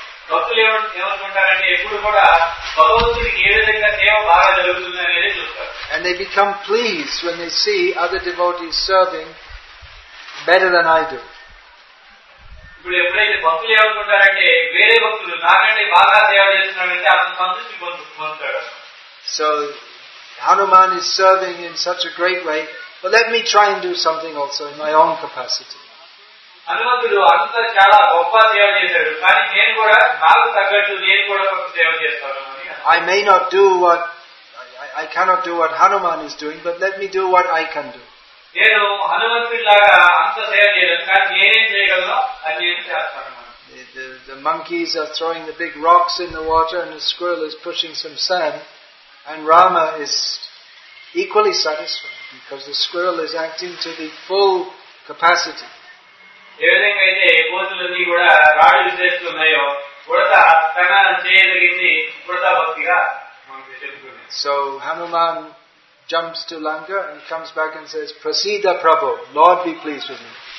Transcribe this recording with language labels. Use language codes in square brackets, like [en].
[te] భక్తులు ఏమనుకుంటారంటే ఎప్పుడు కూడా భగవంతుడికి ఏ విధంగా సేవ బాగా జరుగుతుంది అనేది చూస్తారు. [en] And they become pleased when they see other devotees serving better than I do. [te] ఇప్పుడు ఎప్పుడైతే భక్తులు ఏమనుకుంటారంటే వేరే భక్తులు నాకంటే బాగా సేవ చేస్తున్నాడంటే అతను సంతృప్తి పొందుతాడు. [en] So Hanuman is serving in such a great way, but let me try and do something also in my own capacity. [te] హనుమంతుడు అంత చాలా గొప్ప సేవ చేశాడు కానీ నేను కూడా నాకు తగ్గట్టు నేను కూడా ఒక సేవ చేస్తాను. [en] I may not do what I cannot do what Hanuman is doing, but let me do what I can do. [te] నేను హనుమంతుడి లాగా అంత సేవ చేయలేదు కానీ నేనేం చేయగలను అది నేను చేస్తాను. [en] The monkeys are throwing the big rocks in the water and the squirrel is pushing some sand and Rama is equally satisfied because the squirrel is acting to the full capacity. [te] ఏ విధంగా అయితే కోతులన్నీ కూడా రాళ్ళు చేస్తున్నాయో కొడత తన చేయదగింది కొడత భక్తిగా. [en] So Hanuman jumps to Lanka and comes back and says, Prasida Prabhu, Lord be pleased with me.